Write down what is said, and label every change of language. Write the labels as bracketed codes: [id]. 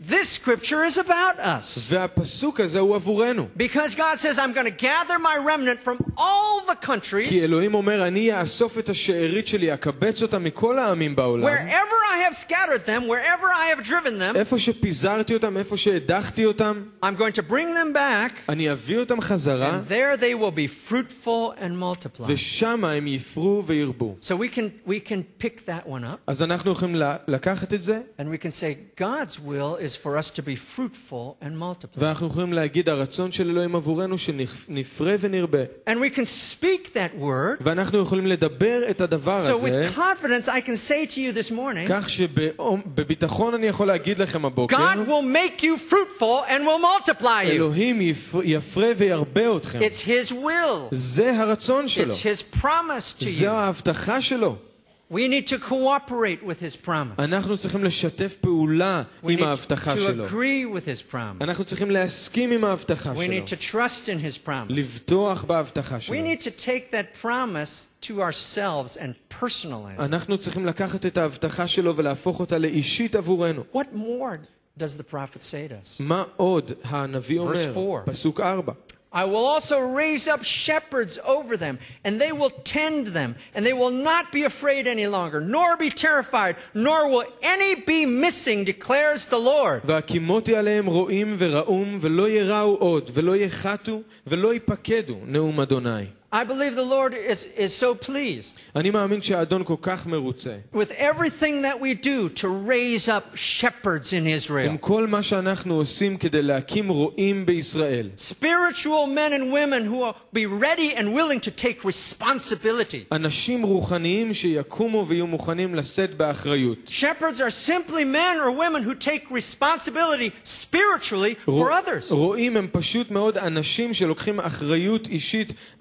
[en] This scripture is about us. [he] והפסוק הזה הוא עבורנו. [en] Because God says I'm going to gather my remnant from all the countries. [he] כי אלוהים אומר אני אאסוף את השארית שלי אקבץ אותה מכל העמים בעולם. [en] Wherever I have scattered them, wherever I have driven them. [he] איפה שפיזרתי אותם, איפה שהדחתי אותם. [en] I'm going to bring them back. [he] אני אביא אותם חזרה. [en] And there they will be fruitful and multiply. [he] ושם הם יפרו וירבו. [en] So we can pick that one up. [he] אז אנחנו יכולים לקחת את זה. [en] And we can say God's will is for us to be fruitful and multiply. [he] ואנחנו יכולים להגיד הרצון של אלוהים עבורנו שנפרה ונרבה. [en] And we can speak that word. [he] ואנחנו יכולים לדבר את הדבר הזה. [en] So with confidence I can say to you this morning. [he] כך שבביטחון אני יכול להגיד לכם הבוקר. [en] God will make you fruitful and will multiply you. [he] אלוהים יפרה וירבה אתכם. [en] It's his will. [he] זה הרצון שלו. [en] It's his promise to you. [he] זו ההבטחה שלו. [en] We need to cooperate with his promise. [he] אנחנו צריכים לשתף פעולה עם ההבטחה שלו. [en] We need to agree with his promise. [he] אנחנו צריכים להסכים עם ההבטחה שלו. [en] We need to trust in his promise. [he] לבטוח בהבטחה שלו. [en] We need to take that promise to ourselves and personalize it. [he] אנחנו צריכים לקחת את ההבטחה שלו ולהפוך אותה לאישית עבורנו. [en] What more does the prophet say to us? [he] מה עוד הנביא אומר? [en] Verse 4. [he] פסוק 4. [en] I will also raise up shepherds over them, and they will tend them, and they will not be afraid any longer, nor be terrified, nor will any be missing, declares the Lord. [he] והקימותי עליהם רועים ורעום, ולא יראו עוד, ולא יחתו, ולא יפקדו, נאום אדוני. [en] I believe the Lord is so pleased. [he] אני מאמין שאדון כל כך מרוצה. [en] With everything that we do to raise up shepherds in Israel. [he] עם כל מה שאנחנו עושים כדי להקים רועים בישראל. [en] Spiritual men and women who will be ready and willing to take responsibility. [he] אנשים רוחניים שיקומו ויהיו מוכנים לשאת באחריות. [en] Shepherds are simply men or women who take responsibility spiritually for others. [he] רועים הם פשוט מאוד אנשים שלוקחים אחריות אישית